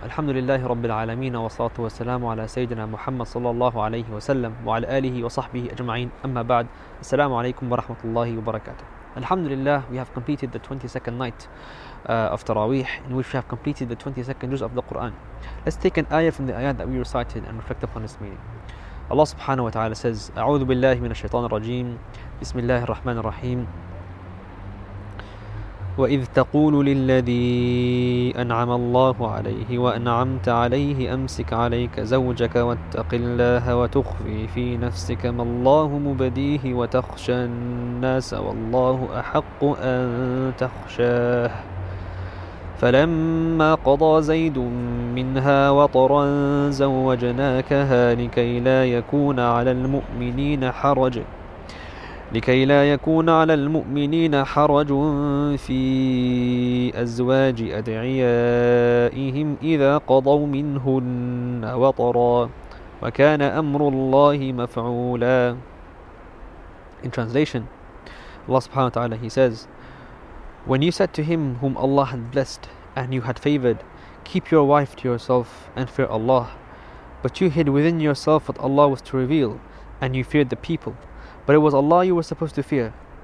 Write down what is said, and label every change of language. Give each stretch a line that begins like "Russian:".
Arabic: الحمد لله رب العالمين، والصلاة والسلام على سيدنا محمد صلى الله عليه وسلم وعلى آله وصحبه أجمعين. أما بعد، السلام عليكم ورحمة الله وبركاته. الحمد لله,
English: we have completed the 22nd night of Taraweeh, in which we have completed the 22nd juz of the Quran. Let's take an ayah from the ayah that we recited and reflect upon its meaning. Allah subhanahu wa ta'ala says,
Arabic: أعوذ بالله من الشيطان الرجيم. بسم الله الرحمن الرحيم. وَإِذْ تَقُولُ لِلَّذِي أَنْعَمَ اللَّهُ عَلَيْهِ وَأَنْعَمْتَ عَلَيْهِ أَمْسِكْ عَلَيْكَ زَوْجَكَ وَاتَّقِ اللَّهَ وَتُخْفِي فِي نَفْسِكَ مَا اللَّهُ مُبْدِيهِ وَتَخْشَى النَّاسَ وَاللَّهُ أَحَقُّ أَنْ تَخْشَاهُ فَلَمَّا قَضَى زَيْدٌ مِنْهَا وَطَرًا زَوَّجْنَاكَهَا لِكَيْ لَا يَكُونَ عَلَى الْمُؤْمِنِينَ حَرَجٌ لكي لا يكون على المؤمنين حرج في أزواج أدعيائهم إذا قضوا منهن وطرا وكان أمر الله مفعولا.
English: In translation, Allah subhanahu wa ta'ala, he says, when you said to him whom Allah had blessed and you had favored, keep your wife to yourself and fear Allah, but you hid within yourself what Allah was to reveal and you feared the people, but it was Allah you were supposed to fear.